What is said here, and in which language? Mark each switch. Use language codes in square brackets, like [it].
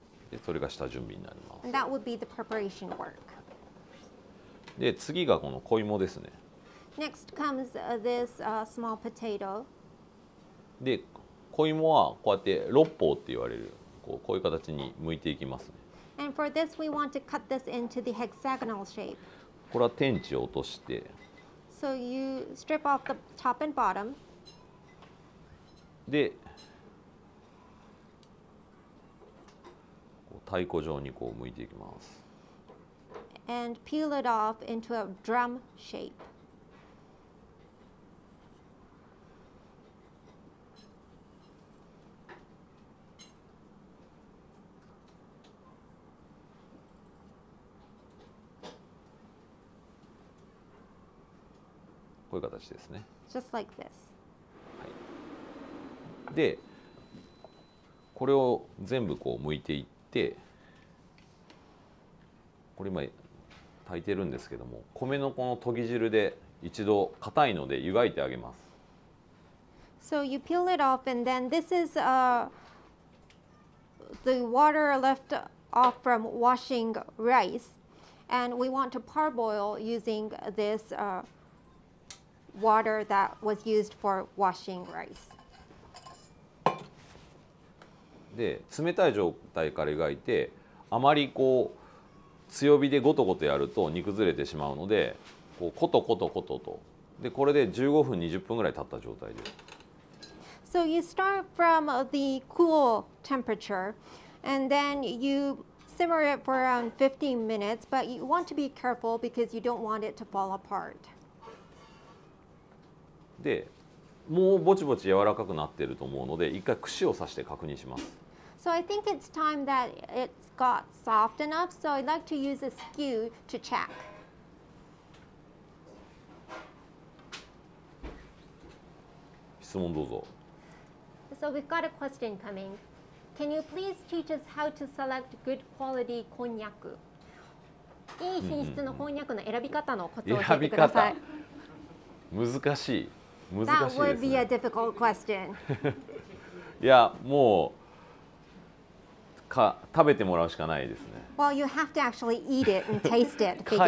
[ja] で、それが下準備になります。 [en] And that would be the preparation work. [ja] で、次がこの小芋ですね。 [en] Next comes this small potato. [ja] で、小芋はこうやって六方って言われるこう、こういう形に向いていきますね。 [en] And for this, we want to cut this into the hexagonal shape. [ja] これは天地を落として。 [en] So you strip off the top and bottom. [ja] で、太鼓状にこう向いていきます。 [en] And peel it off into a drum shape. [ja] ういう形ですね。 [en] Just like this. [ja] はい。で、これを全部こう剥いていって、これ今炊いてるんですけども、米のこの研ぎ汁で一度硬いので湯がいてあげます。 [en] So you peel it off and then this is the water left off from washing rice. And we want to parboil using this water that was used for washing rice. [ja] で、冷たい状態から湯がいて、あまりこう強火でゴトゴトやると煮崩れてしまうので、こうコトコトコトと。で、これで15分20分ぐらい経った状態です。 [en] So you start from the cool temperature, and then you... Simmer it for around 15 minutes, but you want to be careful because you don't want it to fall apart. [ja] で、もうぼちぼち柔らかくなっていると思うので、一回串を刺して確認します。 [en] So I think it's time that it's got soft enough, so I'd like to use a skew to check. So we've got a question coming. Can you please teach us how to select good quality こんにゃく？ [ja] いい品質のこんにゃくの選び方のコツを教えてください。選び方。難しい。難しいですね。 [en] That would be a difficult question. [ja] いや、もう、食べてもらうしかないですね。 [en] Well, you have to actually eat it and taste it.